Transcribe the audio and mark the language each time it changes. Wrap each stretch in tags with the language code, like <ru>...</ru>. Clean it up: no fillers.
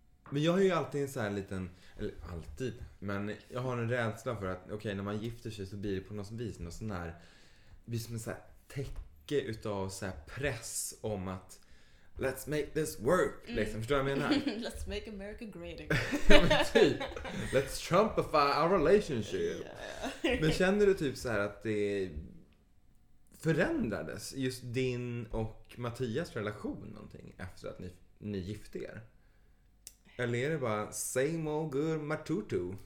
<sv>Men jag har ju alltid en så här liten, eller alltid, men jag har en rädsla för att okej, när man gifter sig så blir det på något vis något sån här, blir som en så här täcke utav så här press om att</sv> <en>let's make this work,</en> <sv>liksom. Förstår jag menar?</sv> <en>Let's make America great again. Let's Trumpify our relationship. Yeah.</en> <sv>Men känner du typ så här att det förändrades just din och Mattias relation någonting efter att ni gifte er? Eller är det bara</sv> <en>same old girl</en> <sv>matutu?</sv>